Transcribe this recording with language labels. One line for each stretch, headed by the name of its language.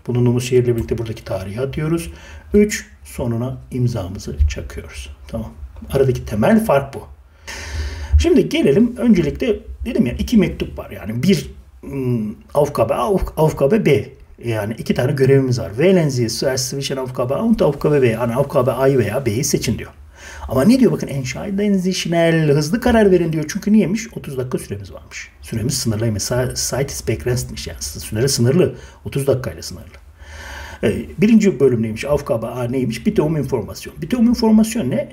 Turkish: Bulunduğumuz şehirle birlikte buradaki tarihi atıyoruz. Üç, sonuna imzamızı çakıyoruz. Tamam. Aradaki temel fark bu. Şimdi gelelim, öncelikle dedim ya, iki mektup var. Yani bir Aufgabe A, Aufgabe B. Yani iki tane görevimiz var.
German: Wählen Sie zuerst zwischen Aufgabe A und Aufgabe B.
Turkish: Yani Aufgabe A'yı veya B'yi seçin diyor. Ama ne diyor, bakın,
German: entscheiden Sie schnell,
Turkish: hızlı karar verin diyor. Çünkü niyemiş? 30 dakika süremiz varmış. Süremiz sınırlıymış.
German: Zeit ist begrenztmiş,
Turkish: yani süre sınırlı. 30 dakikayla sınırlı. Birinci bölüm neymiş? Aufgabe A neymiş?
German: Bitte um Information.
Turkish: Bitte um Information ne?